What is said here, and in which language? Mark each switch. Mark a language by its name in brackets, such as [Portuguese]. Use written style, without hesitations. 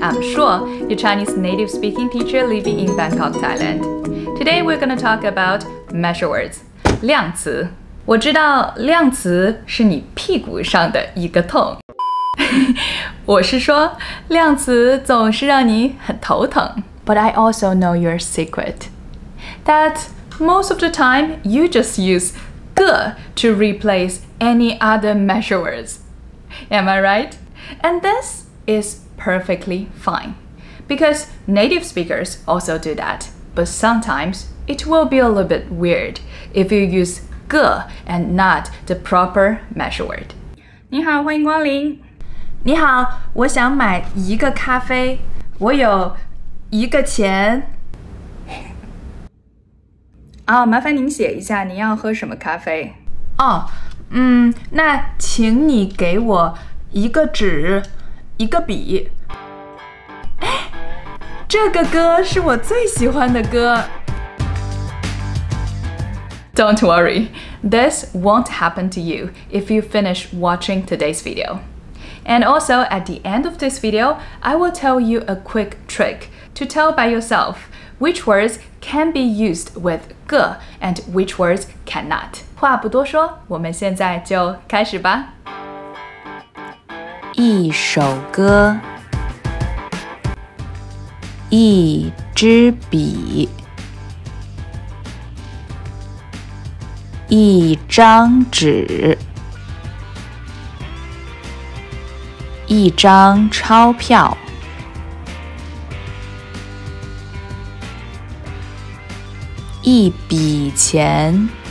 [English] I'm Shuo, your Chinese native speaking teacher living in Bangkok, Thailand. Today we're going to talk about measure words, 量词. [Chinese] 我知道量词是你屁股上的一个痛。我是说量词总是让你很头疼。 [English] But I also know your secret. That most of the time, you just use 个 to replace any other measure words. Am I right? And this is perfectly fine. Because native speakers also do that. But sometimes it will be a little bit weird if you use 个 and not the proper measure word. [Chinese] 你好，欢迎光临。你好，我想买一个咖啡。我有一个钱。啊，麻烦您写一下您要喝什么咖啡。哦。那请你给我一个纸，一个笔。哎，这个歌是我最喜欢的歌。 [English] Don't worry, this won't happen to you if you finish watching today's video. And also, at the end of this video, I will tell you a quick trick to tell by yourself which words can be used with 个 and which words cannot. [Chinese] 话不多说，我们现在就开始吧。一首歌，一支笔，一张纸，一张钞票，一笔钱。